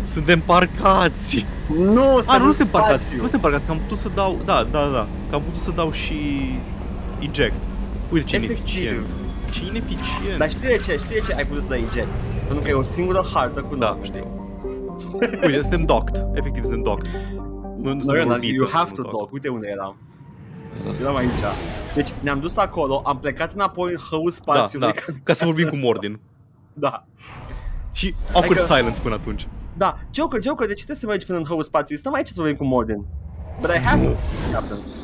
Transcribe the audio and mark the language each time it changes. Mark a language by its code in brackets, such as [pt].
[ro] Suntem parcați! Nu, stai în spațiu! Nu suntem parcați, că am putut să dau, da, că am putut să dau și eject. Uite ce ineficient. Ce ineficient! Dar știi de ce ai putut să dai eject? Pentru că e o singură hartă cu da, știi. Uite, suntem docked, efectiv suntem docked. Nu, [en] you have to dock, [ro] uite unde eram. Eram aici. Deci ne-am dus acolo, am plecat înapoi în hăul spațiului. Da, ca să vorbim cu Mordin. Da. Și awkward adică, silence până atunci. Da, Joker, de ce trebuie să mergi până în hăul spațiului? Stăm aici să vorbim cu Mordin. [en] But I have to, Captain.